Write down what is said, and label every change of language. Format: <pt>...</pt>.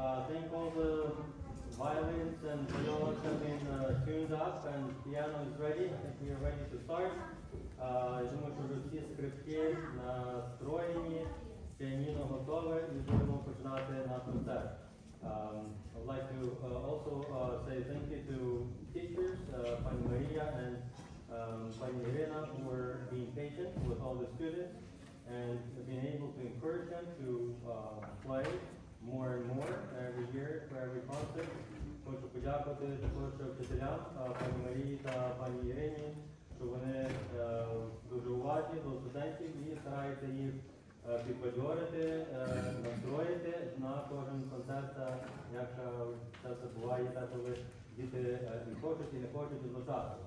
<en>Thank all the violins and violas have been tuned up and piano is ready. We are ready to start.</en> <uk>Думаю, що всі скрипки настроєні, піаніно готове і будемо починати на концерт.</uk> <en>I'd like to also say thank you to teachers, Pani Maria and Pani Irena, for being patient with all the students and being able to encourage them to play more and more every year for every concert.</en> <uk>Хочу подякувати також вчителям, Пані Марії та Пані Ірені, що вони дуже уважні до студентів і стараються їх підбадьорити, настроїти на кожен концерт, як це буває, та коли діти не хочуть і не хочуть одночасно.</uk>